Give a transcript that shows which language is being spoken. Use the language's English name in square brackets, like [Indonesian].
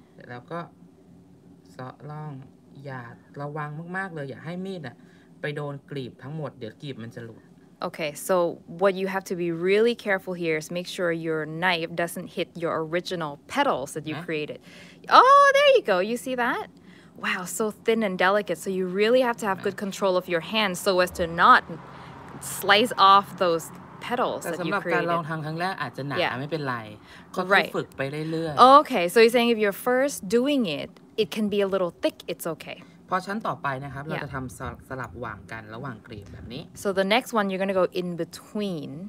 [Thai] แล้วก็สอดล่องอย่าระวังมากๆเลยอย่าให้มีดอ่ะไปโดนกลีบทั้งหมดเดี๋ยวกลีบมันจะหลุด [English] โอเค so what you have to be really careful here is make sure your knife doesn't hit your original petals that you created oh there you go you see thatwow so thin and delicate so you really have to have good control of your hands so as to notslice off those petals that you created. [Thai] แต่สำหรับการลองทำครั้งแรกอาจจะหนา [English] yeah. [Thai] ไม่เป็นไรก็ [English] right. [Thai] ฝึกไปเรื่อย [English] ๆ Okay, so you're saying if you're first doing it, it can be a little thick, it's okay. [Thai] พอชั้นต่อไปนะครับ yeah. เราจะทำสลับวางกันระหว่างกรีบแบบนี้ [English] So the next one, you're gonna go in between.